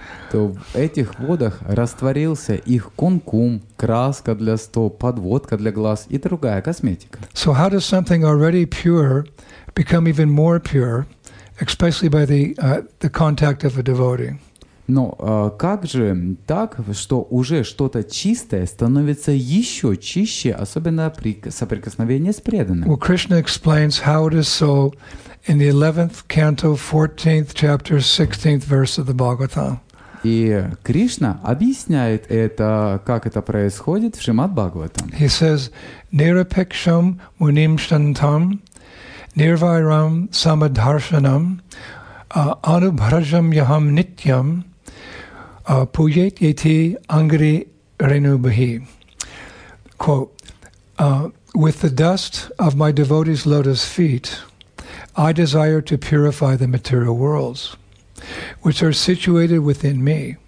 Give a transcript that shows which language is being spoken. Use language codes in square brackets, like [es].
[ru] То в этих водах растворился их кункум, краска для стоп, подводка для глаз и другая косметика. [en] So how does something already pure become even more pure, especially by the contact of a devotee? [ru] Но как же так, что уже что-то чистое становится еще чище, особенно при соприкосновении с преданным? [en] Well, Krishna explains how it is so in the 11th canto, 14th chapter, 16th verse of the Bhagavatam. [ru] И Кришна объясняет это, как это происходит в Шримад-Бхагаватам. [en] He says, [sa] «Нирапекшам муним штантам, нирвайрам самадхаршанам, анубхаржам яхам нитьям, пуйет йети ангри ренубхи». [en] Quote, «With the dust of my devotees' lotus feet, I desire to purify the material worlds, which are situated within me.